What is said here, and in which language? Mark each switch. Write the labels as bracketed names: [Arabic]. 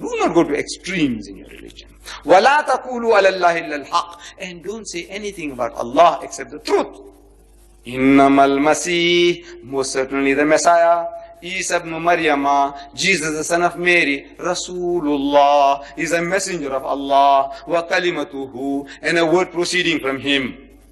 [English] Do not go to extremes in your religion. [Arabic] ولا تقولوا على الله إلا الحق. [English] And don't say anything about Allah except the truth. [Arabic] إنما المسيح, [English] most certainly the Messiah, Isa ibn Maryam, Jesus the son of Mary, Rasulullah, is a messenger of Allah, wa kalimatuhu, and a word proceeding from him.